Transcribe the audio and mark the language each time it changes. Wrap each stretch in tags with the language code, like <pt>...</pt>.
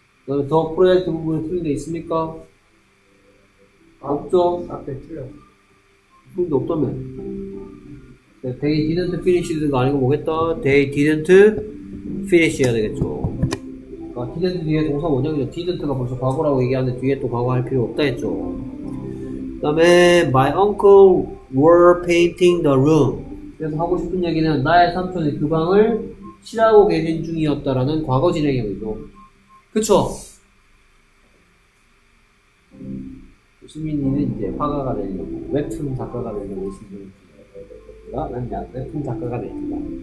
<ko>그 다음에 the project 부분에 쓰는 데 있습니까? 아, 없죠? 앞에 틀려. 쓰는 데 없다면?</ko> <en>They didn't finish</en> <ko>가 아니고 뭐겠다?</ko> <en>They didn't finish</en> <ko>해야 되겠죠. 아, didn't 뒤에 동사 원형이죠. didn't가 벌써 과거라고 얘기하는데 뒤에 또 과거 할 필요 없다 했죠. 그 다음에</ko> <en>my uncle were painting the room.</en> <ko>그래서 하고 싶은 얘기는 나의 삼촌이 그 방을 칠하고 계신 중이었다라는 과거 진행형이죠. 그쵸? 수민이는 이제 화가가 되려고, 웹툰 작가가 되려고 있습니다. 난 이제 웹툰 작가가 됩니다.</ko>